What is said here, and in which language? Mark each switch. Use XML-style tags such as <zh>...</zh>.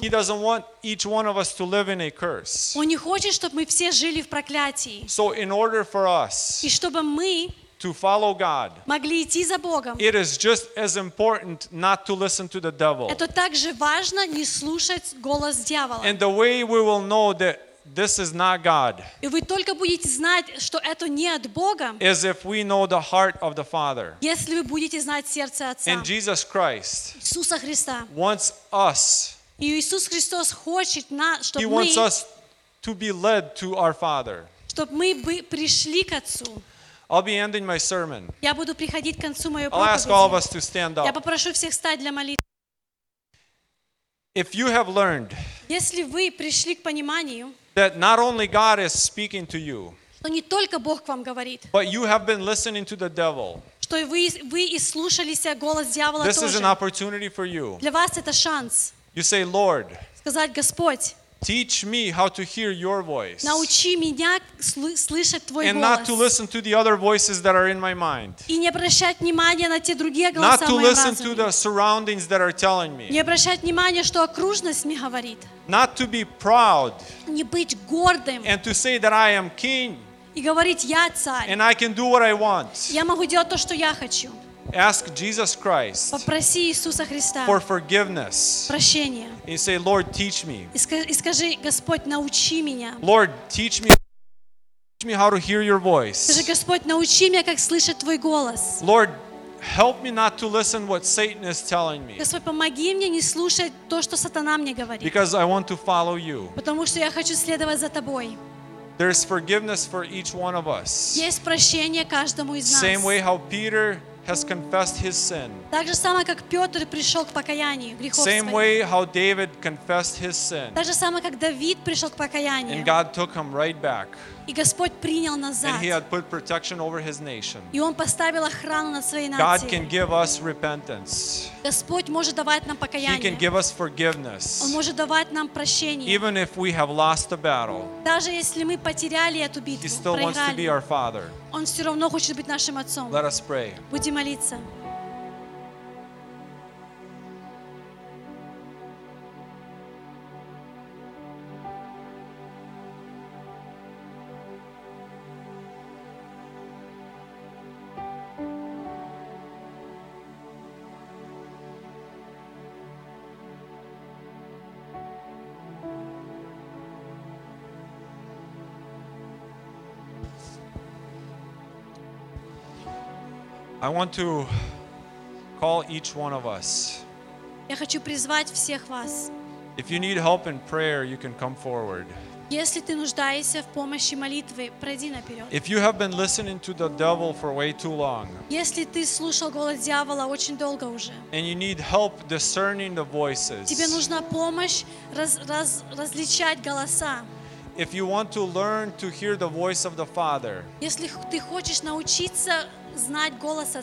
<en>He doesn't want each one of us to live in a curse.</en> <ru>Он не хочет, чтобы мы все жили в проклятии.</ru> <en>So in order for us</en> <ru>И чтобы мы</ru> <en>to follow God,</en> <ru>могли идти за Богом,</ru> <en>it is just as important not to listen to the devil.</en> <ru>Это также важно не слушать голос дьявола.</ru> <en>And the way we will know that this is not God,</en> <ru>и вы только будете знать, что это не от Бога,</ru> <en>is if we know the heart of the Father.</en> <ru>Если вы будете знать сердце Отца.</ru> <en>And Jesus Christ</en> <ru>Иисуса Христа</ru> <en>wants us,</en> <ru>и Иисус Христос хочет нас, чтобы</ru> <en>He wants us to be led to our Father.</en> <ru>Чтобы мы пришли к Отцу.</ru> <en>I'll be ending my sermon.</en> <ru>Я буду приходить к концу моей проповеди.</ru> <en>I'll ask all of us to stand up.</en> <ru>Я попрошу всех встать для молитвы.</ru> <en>If you have learned,</en> <ru>если вы пришли к пониманию,</ru> <en>that not only God is speaking to you,</en> <ru>что не только Бог к вам говорит,</ru> <en>but you have been listening to the devil,</en> <ru>что вы и слушались голос дьявола</ru> <en>this</en> <ru>тоже,</ru> <en>is an opportunity for you.</en> <ru>Для вас это шанс.</ru> <en>You say, Lord,</en> <ru>сказать, Господь,</ru> <en>teach me how to hear your voice.</en> <ru>Научи меня слышать твой голос.</ru> <en>And not to listen to the other voices that are in my mind.</en> <ru>И не обращать внимания на те другие голоса в моем</ru> <en>Not to listen to the surroundings that are telling me.</en> <ru>Не обращать внимания, что окружность мне говорит.</ru> <en>Not to be proud.</en> <ru>Не быть гордым.</ru> <en>And to say that I am king.</en> <ru>И говорить, я царь.</ru> <en>And I can do what I want.</en> <ru>Я могу делать то, что я хочу.</ru> <en>Ask Jesus Christ</en> <ru>Попроси Иисуса Христа</ru> <en>for forgiveness.</en> <ru>Прощение.</ru> <en>And say, Lord, teach me.</en> <ru>И скажи, Господь, научи меня.</ru> <en>Lord, teach me how to hear your voice.</en> <ru>Скажи, Господь, научи меня, как слышать твой голос.</ru> <en>Lord, help me not to listen what Satan is telling me.</en> <ru>Господь, помоги мне не слушать то, что сатана мне говорит.</ru> <en>Because I want to follow you.</en> <ru>Потому что я хочу следовать за тобой.</ru> <en>There is forgiveness for each one of us.</en> <ru>Есть прощение каждому из нас.</ru> <en>Same way how Peter has confessed his sin.</en> <ru>Так же само, как Петр пришел к покаянию, грехов своих.</ru> <en>Same way how David confessed his sin.</en> <ru>Так же само, как Давид пришел к покаянию.</ru> <en>And God took him right back.</en> <ru>И Господь принял назад.</ru> <en>And he had put protection over his nation.</en> <ru>И он поставил охрану над своей нацией.</ru> <en>God can give us repentance.</en> <ru>Господь может давать нам покаяние.</ru> <en>He can give us forgiveness.</en> <ru>Он может давать нам прощение.</ru> <en>Even if we have lost the battle.</en> <ru>Даже если мы потеряли эту битву, проиграли.</ru> <en>He still wants to be our Father.</en> <ru>Он все равно хочет быть нашим отцом.</ru> <en>Let us pray.</en> <ru>Будем молиться.</ru> <en>I want to call each one of us.</en> <ru>Я хочу призвать всех вас.</ru> <en>If you need help in prayer, you can come forward.</en> <ru>Если ты нуждаешься в помощи молитвы, пройди наперед.</ru> <en>If you have been listening to the devil for way too long.</en> <ru>Если ты слушал голос дьявола очень долго уже.</ru> <en>And you need help discerning the voices.</en> <ru>Тебе нужна помощь различать голоса.</ru> <en>If you want to learn to hear the voice of the Father.</en> <ru>Если ты хочешь научиться знать голос Отца.</ru>